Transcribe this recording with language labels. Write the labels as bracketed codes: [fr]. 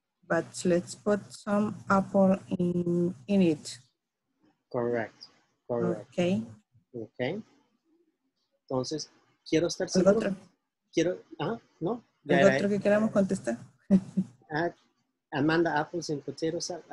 [en] But let's put some apple in it. Correct. Correct. Okay. Okay. [es] Entonces, quiero estar seguro. Otro. Quiero, ah, no. El otro que queramos contestar. [en] Amanda, apples and potatoes.